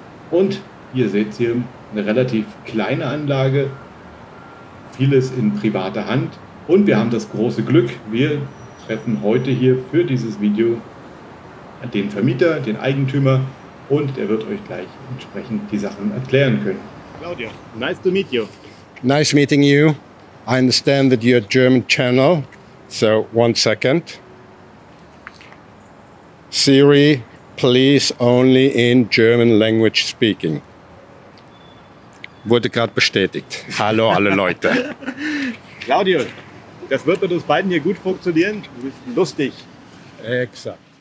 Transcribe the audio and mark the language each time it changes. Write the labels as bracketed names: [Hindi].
[German] Und ihr seht hier eine relativ kleine Anlage. Vieles in privater Hand. Und wir haben das große Glück, wir treffen heute hier für dieses Video den Vermieter, den Eigentümer, und er wird euch gleich entsprechend die Sachen erklären können. [English] Claudia, nice to meet you. Nice meeting you. I understand that you're a German channel, so one second. Siri, please only in German language speaking. [German] Wurde gerade bestätigt. Hallo alle Leute. Claudio, das wird mit uns beiden hier gut funktionieren. Du bist lustig. Exakt.